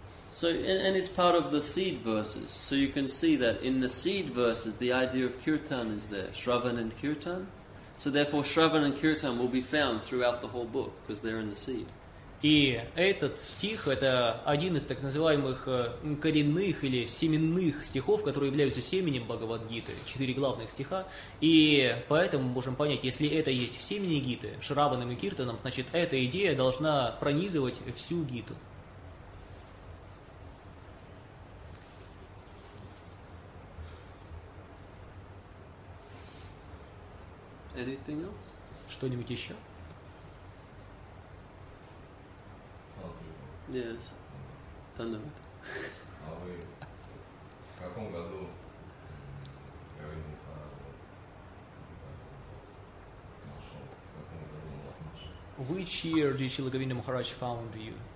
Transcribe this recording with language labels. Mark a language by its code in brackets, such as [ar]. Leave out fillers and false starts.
[en] So, and it's part of the seed verses. So you can see that in the seed verses, the idea of kirtan is there, shravan and kirtan. So therefore, shravan and kirtan will be found throughout the whole book, because they're in the seed. [ru] И этот стих, это один из так называемых коренных или семенных стихов, которые являются семенем Бхагавад-гиты, 4 главных стиха. И поэтому мы можем понять, если это есть в семени гиты, шраваном и киртаном, значит, эта идея должна пронизывать всю гиту. [en] Anything else? [ru] Что-нибудь еще? [en] Yes. Thunderbird. [ru] А вы в каком году Гави Махараджа нашел? В каком году он вас нашел? [en] Which year did Шрила Гавинда Махарадж found you?